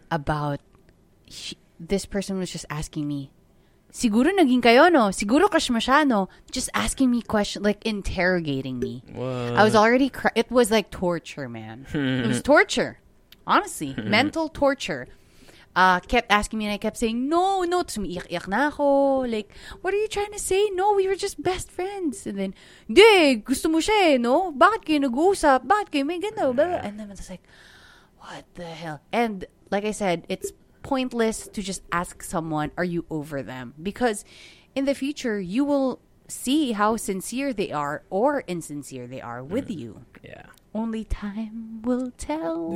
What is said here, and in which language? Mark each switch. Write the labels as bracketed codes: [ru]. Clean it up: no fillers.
[en] About this person was just asking me, [tl] siguro naging kayo no, siguro crush mo siya no, [en] just asking me questions, like interrogating me. What? I was already crying. It was like torture, man. It was torture, honestly. Mental torture. Kept asking me, and I kept saying, no, to me, [tl] iyak na ako. [en] Like, what are you trying to say? No, we were just best friends. And then, [tl] di, gusto mo siya eh, no? Bakit kayo nag-uusap? Bakit kayo may ganaw? Yeah. [en] And then I was like, what the hell? And like I said, it's pointless to just ask someone, are you over them? Because in the future, you will see how sincere they are or insincere they are with you. Yeah. Only time will tell.